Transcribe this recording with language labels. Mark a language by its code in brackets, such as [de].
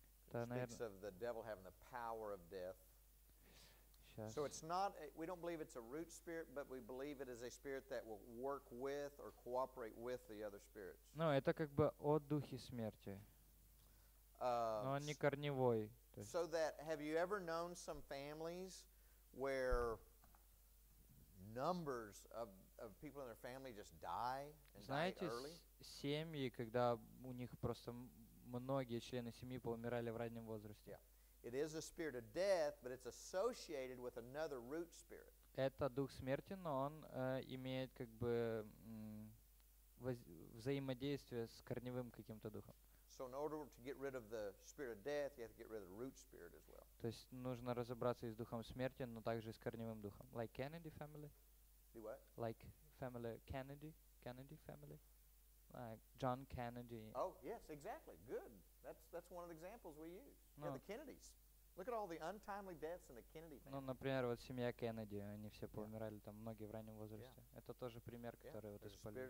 [en] Speaks of the devil having the power of death. So it's not, we don't believe it's a root spirit, but we believe it is a spirit that will work with or cooperate with the other spirits. [ru] No, это как бы о духе смерти. Но он не корневой. [en] So that, have you ever known some families where numbers of people in their family just die and [ru] знаете, [en] die early? [ru] Семьи, когда у них просто многие члены семьи поумирали в раннем возрасте. [en] Yeah. It is a spirit of death, but it's associated with another root spirit. [ru] Это дух смерти, но он имеет как бы взаимодействие с корневым каким-то духом. [en] So in order to get rid of the spirit of death, you have to get rid of the root spirit as well. [ru] То есть нужно разобраться и с духом смерти, но также и с корневым духом. [en] Like Kennedy family? Do what? Like family Kennedy? Kennedy family? Like John Kennedy? Oh, yes, exactly. Good. That's one of the examples we use. No. Yeah, the Kennedys. Look at all the untimely deaths in the Kennedy family. [ru] Ну, например, вот семья Кеннеди, они все поумирали там многие в раннем возрасте. [en] Yeah. [ru] Это тоже пример, который вот использовали.